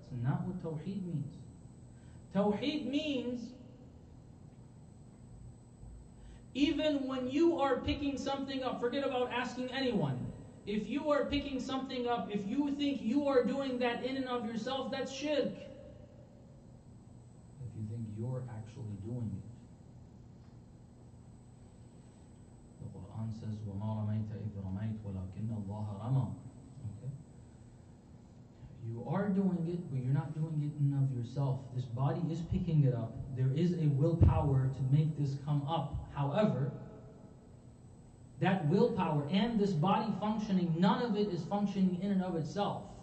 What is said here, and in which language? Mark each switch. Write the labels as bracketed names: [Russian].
[English] It's not what Tawheed means. Tawheed means, even when you are picking something up, forget about asking anyone. If you are picking something up, if you think you are doing that in and of yourself, that's shirk. If you think you're actually doing it. [Arabic] The Quran says, وَمَا رَمَيْتَ إِذْ رَمَيْتَ وَلَكِنَّ اللَّهَ رَمَى. [English] You are doing it, but you're not doing it in and of yourself. This body is picking it up. There is a willpower to make this come up. However, that willpower and this body functioning, none of it is functioning in and of itself.